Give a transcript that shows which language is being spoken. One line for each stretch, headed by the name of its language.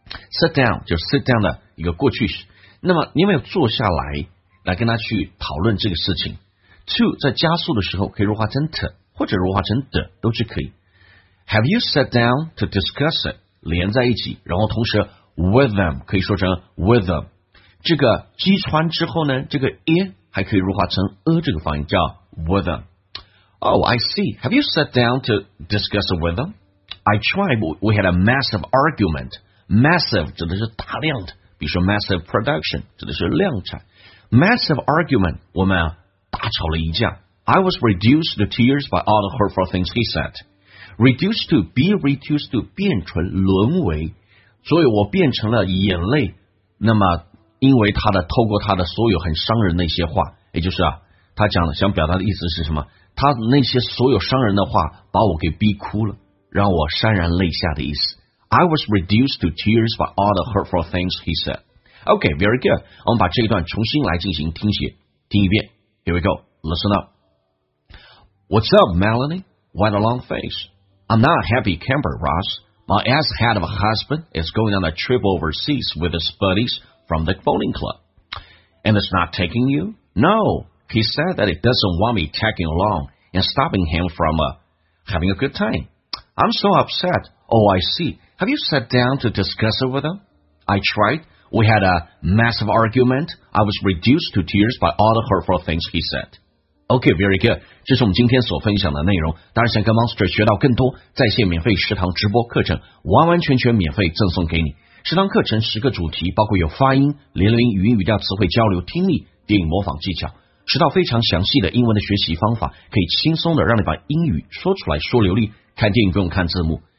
English: Sit down
Chinese: 就是
English: sit down
Chinese: 的一个过去式那么你有没有坐下来来跟他去讨论这个事情 To 在加速的时候可以弱化成 to或者弱化成的都是可以
English: Have you sat down to discuss it
Chinese: 连在一起然后同时
English: with them
Chinese: 可以说成 with them 这个击穿之后呢这个 in 还可以弱化成 a 这个发音叫 with them
English: Oh, I see. Have you sat down to discuss it with them? I tried. We had a massive argument.
Chinese: Massive 指的是大量的，比如说
English: massive production
Chinese: 指的是量产。
English: Massive argument,
Chinese: 我们大吵了一架。
English: I was reduced to tears by all the hurtful things he said. Reduced to, be reduced to,
Chinese: 变成沦为。所以我变成了眼泪。那么因为他的透过他的所有很伤人的一些话，也就是啊，他讲了想表达的意思是什么，他那些所有伤人的话把我给逼哭了，让我潸然泪下的意思。
English: I was reduced to tears by all the hurtful things he said. Okay, very good.
Chinese: 我们把这一段重新来进行听写，听一遍。
English: Here we go. Listen up. What's up, Melanie? Why the long face? I'm not a happy camper, Ross. My ass-hat of a husband is going on a trip overseas with his buddies from the bowling club. And it's not taking you? No. He said that he doesn't want me tagging along and stopping him from having a good time. I'm so upset. Oh, I see. Have you sat down to discuss it with them? I tried. We had a massive argument. I was reduced to tears by all the hurtful things he said. Okay, very good.
Chinese: 这是我们今天所分享的内容。当然想跟 Monster 学到更多在线免费食堂直播课程，完完全全免费赠送给你。食堂课程十个主题，包括有发音、连连语音语调词汇交流、听力、电影模仿技巧，十道非常详细的英文的学习方法，可以轻松的让你把英语说出来说流利，看电影不用看字幕。